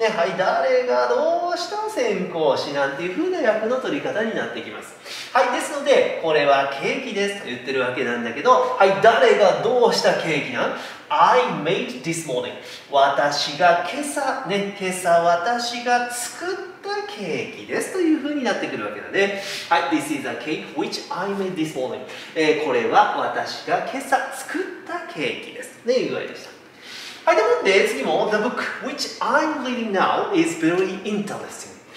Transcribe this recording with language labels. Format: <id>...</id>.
<ja>ね、はい、誰がどうした先行詞なんていう風な訳の取り方になってきます。はい、ですので、これはケーキですと言ってるわけなんだけど、はい、誰がどうしたケーキなん？</ja> <en>I made this morning.</en> <ja>私が今朝、ね、今朝私が作ったケーキですという風になってくるわけだね。</ja> <en>はい、This is a cake which I made this morning.</en> <ja>これは私が今朝作ったケーキです。ね、いう具合でした。はい、でもで、次も、</ja> <en>The book which I'm reading now is very interesting.</en>